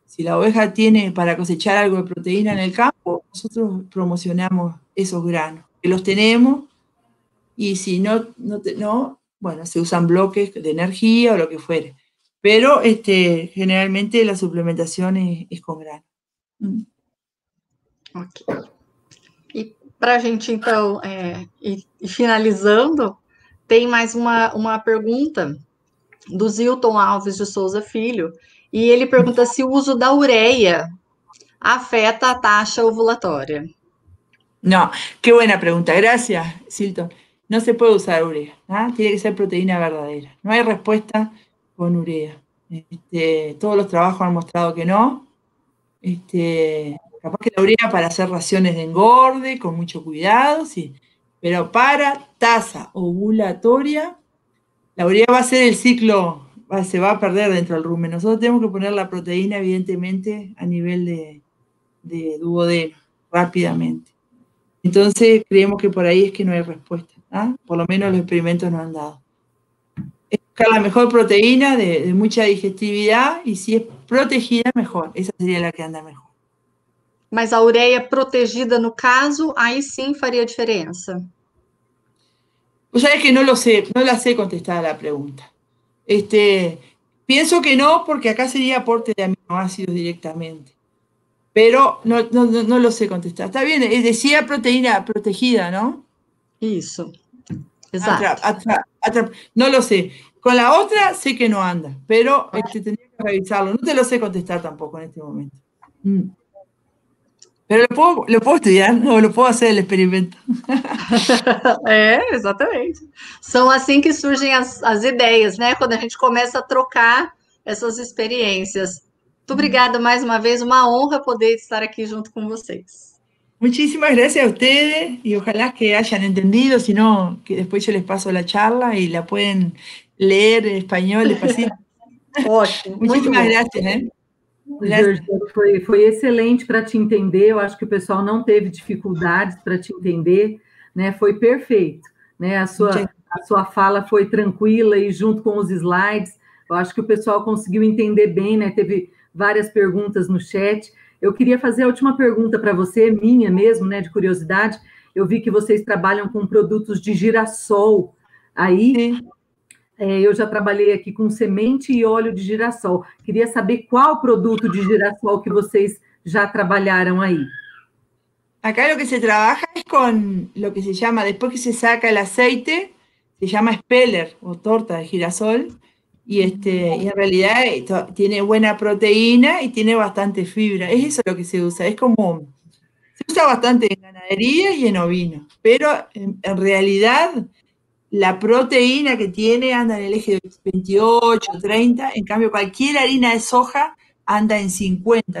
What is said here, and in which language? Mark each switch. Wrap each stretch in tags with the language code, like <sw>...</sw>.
<es>Si la oveja tiene para cosechar algo de proteína en el campo, nosotros promocionamos esos granos, que los tenemos, y si no, bueno, se usan bloques de energía o lo que fuere. Pero generalmente la suplementación es con grano. Ok.</es> <pt>Para a gente, então, e finalizando, tem mais uma pergunta do Zilton Alves de Souza Filho, e ele pergunta se o uso da ureia afeta a taxa ovulatória. Não, que boa pergunta, graças, Zilton. Não se pode usar ureia, tá? Tem que ser proteína verdadeira. Não há resposta com ureia. Todos os trabalhos</pt> <es>han mostrado</es> <pt>que não.</pt> <es>Capaz que la ureia para hacer raciones de engorde, con mucho cuidado, sí. Pero para tasa ovulatoria, la ureia va a ser el ciclo, se va a perder dentro del rumen. Nosotros tenemos que poner la proteína, evidentemente, a nivel de duodeno, rápidamente. Entonces, creemos que por ahí es que no hay respuesta, ¿ah? Por lo menos los experimentos no han dado. Es buscar la mejor proteína de mucha digestividad, y si es protegida, mejor. Esa sería la que anda mejor.</es> <pt>Mas a ureia protegida, no caso, aí sim faria diferença. Ou seja,</pt> <es>que não lo sé, não la sé contestar a la pregunta. Pienso que não, porque acá seria aporte de aminoácidos directamente. Pero no lo sé contestar. Está bien, decía proteína protegida, ¿no?</es> <pt>Isso, exato.</pt> <es>Atrap. No lo sé. Con la otra sé que no anda, pero tendría que revisarlo. No te lo sé contestar tampoco en este momento. Pero lo puedo estudiar, no, lo puedo hacer el experimento.</es> <pt>É, exatamente. São assim que surgem as ideias, né? Quando a gente começa a trocar essas experiências. Muito obrigada mais uma vez, uma honra poder estar aqui junto com vocês.</pt> <es>Muchísimas gracias a ustedes y ojalá que hayan entendido, si no, que después yo les paso la charla y la pueden leer en español despacito.</es> <pt>Ótimo, muito</pt> <es>Muchísimas</es> <pt>bom.</pt> <es>gracias, ¿eh? Gracias.</es> <pt>Jorge, foi excelente para te entender. Eu acho que o pessoal não teve dificuldades para te entender, né? Foi perfeito, né? A sua fala foi tranquila e junto com os slides, eu acho que o pessoal conseguiu entender bem, né? Teve várias perguntas no chat. Eu queria fazer a última pergunta para você, minha mesmo, né? De curiosidade. Eu vi que vocês trabalham com produtos de girassol aí. Eu já trabalhei aqui com semente e óleo de girassol. Queria saber qual produto de girassol que vocês já trabalharam aí.</pt> <es>Acá lo que se trabaja es con lo que se llama, después que se saca el aceite, se llama espeller o torta de girasol, y en realidad esto tiene buena proteína y tiene bastante fibra. Es eso lo que se usa. Es como, se usa bastante en ganadería y en ovino, pero en realidad la proteína que tiene anda en el eje 28, 30, en cambio cualquier harina de soja anda en 50.</es>